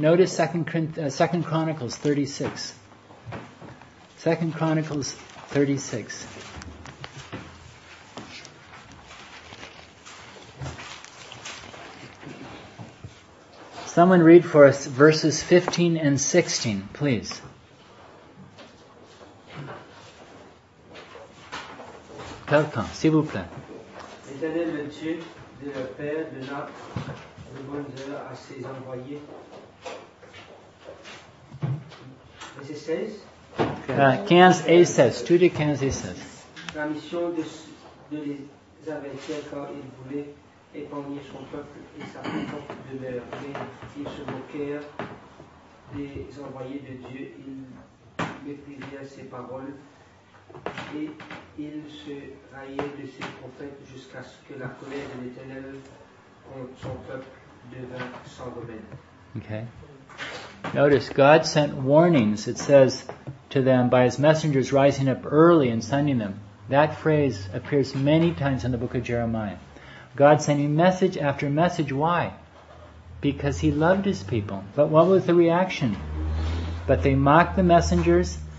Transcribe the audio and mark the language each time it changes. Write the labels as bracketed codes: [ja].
[en] Notice 2 Chronicles 36. 2 Chronicles 36. Someone read for us verses 15 and 16, please. [fr] Quelqu'un, s'il vous plaît. L'Éternel, le Dieu de leur père, de Jacques, de Bonheur à ses envoyés. Verset 16. 15 et 16. Tout de 15 et 16. La mission de les avertir quand ils voulaient épargner son peuple et sa propre demeure. Mais ils se moquèrent des envoyés de Dieu. Ils méprisèrent ses paroles. Et il se raillait de ses prophètes jusqu'à ce que la colère de l'Éternel contre son peuple devint sans remède. [en] Okay. Notice, God sent warnings, it says, to them by his messengers rising up early and sending them. That phrase appears many times in the book of Jeremiah. God sending message after message. Why? Because he loved his people. But what was the reaction? But they mocked the messengers.